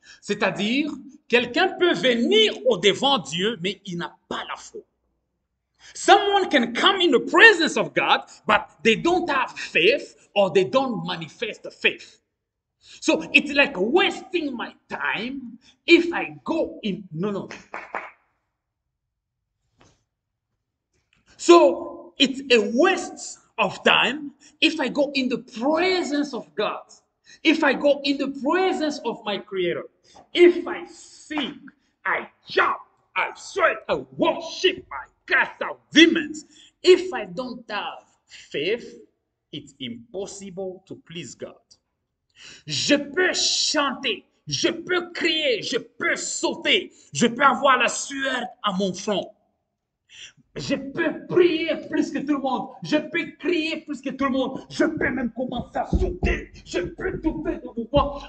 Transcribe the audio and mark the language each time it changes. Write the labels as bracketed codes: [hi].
[fr] C'est-à-dire, quelqu'un peut venir au devant de Dieu, mais il n'a pas la foi. [en] Someone can come in the presence of God, but they don't have faith or they don't manifest faith. So it's like wasting my time if I go in. No, no. So it's a waste of time if I go in the presence of God, if I go in the presence of my Creator, if I sing, I jump, I sweat, I worship, I cast out demons. If I don't have faith, it's impossible to please God. [fr] Je peux chanter, je peux crier, je peux sauter, je peux avoir la sueur à mon front. Je peux prier plus que tout le monde, je peux crier plus que tout le monde, je peux même commencer à sauter, je peux tout faire de moi.